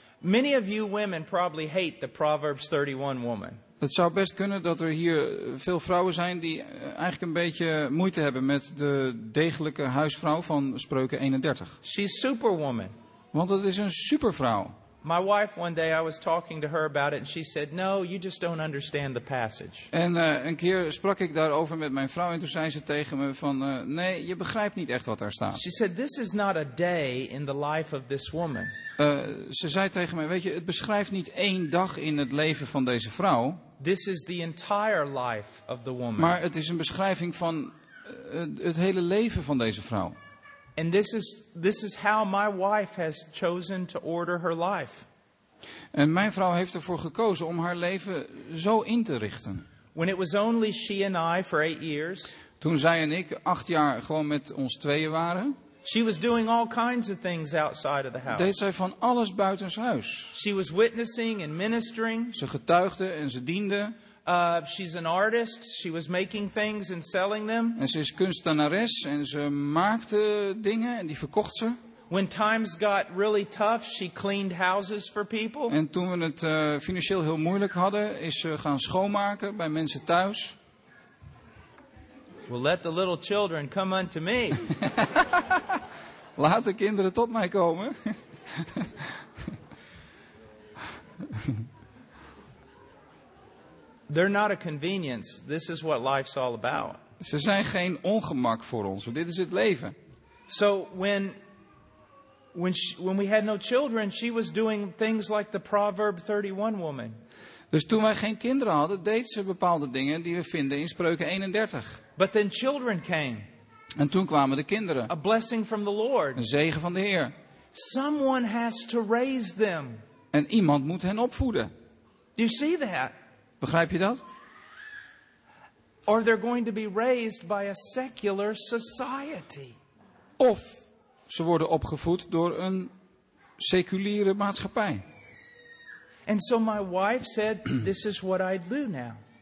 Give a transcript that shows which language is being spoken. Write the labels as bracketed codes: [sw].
[en] Many of you women probably hate the Proverbs 31 woman. [nl] Het zou best kunnen dat er hier veel vrouwen zijn die eigenlijk een beetje moeite hebben met de degelijke huisvrouw van Spreuken 31. [en] She's superwoman. [nl] Want het is een supervrouw. [en] My wife one day I was talking to her about it and she said, "No, you just don't understand the passage." [nl] En een keer sprak ik daarover met mijn vrouw en toen zei ze tegen me van nee, je begrijpt niet echt wat daar staat. [en] She said, "This is not a day in the life of this woman." [nl] Ze zei tegen mij, weet je, het beschrijft niet één dag in het leven van deze vrouw. [en] This is the entire life of the woman. [nl] Maar het is een beschrijving van het hele leven van deze vrouw. [en] And this is how my wife has chosen to order her life. [nl] En mijn vrouw heeft ervoor gekozen om haar leven zo in te richten. [en] When it was only she and I for 8 years. [nl] Toen zij en ik 8 jaar gewoon met ons tweeën waren. [en] She was doing all kinds of things outside of the house. [nl] Deed zij van alles buitenshuis. [en] She was witnessing and ministering. [nl] Ze getuigde en ze diende. [en] She's an artist. She was making things and selling them. [nl] En ze is kunstenares en ze maakte dingen en die verkocht ze. [en] When times got really tough, she cleaned houses for people. [nl] En toen we het financieel heel moeilijk hadden, is ze gaan schoonmaken bij mensen thuis. [en] Well, let the little children come unto me. [nl] Laat de kinderen tot mij komen. [en] They're not a convenience. This is what life's all about. [nl] Ze zijn geen ongemak voor ons. Dit is het leven. [en] So when we had no children, she was doing things like the Proverb 31 woman. [nl] Dus toen wij geen kinderen hadden, deed ze bepaalde dingen die we vinden in Spreuken 31. [en] But then children came. [nl] En toen kwamen de kinderen. [en] A blessing from the Lord. [nl] Een zegen van de Heer. [en] Someone has to raise them. [nl] En iemand moet hen opvoeden. [en] Do you see that? [nl] Begrijp je dat? [en] Or they're going to be raised by a secular society. [nl] Of ze worden opgevoed door een seculiere maatschappij. [en] And so my wife said, "This is what I do now."